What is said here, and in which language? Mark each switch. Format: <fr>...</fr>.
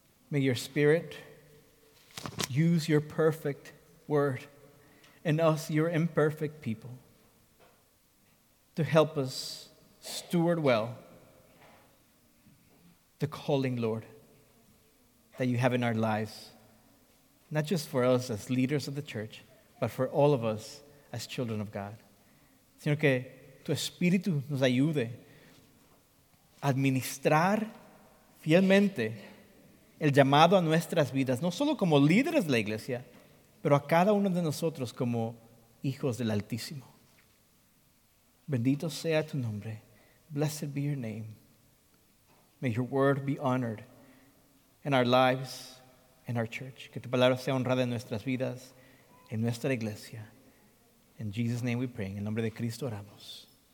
<en>May your spirit use your perfect word and us, your imperfect people, to help us steward well the calling, Lord, that you have in our lives, not just for us as leaders of the church, but for all of us as children of God.</en> <es>Señor, que tu espíritu nos ayude, administrar fielmente el llamado a nuestras vidas, no solo como líderes de la iglesia, pero a cada uno de nosotros como hijos del Altísimo. Bendito sea tu nombre.</es> <en>Blessed be your name. May your word be honored in our lives, in our church.</en> <es>Que tu palabra sea honrada en nuestras vidas, en nuestra iglesia.</es> <en>In Jesus' name we pray.</en> <es>En el nombre de Cristo oramos.</es>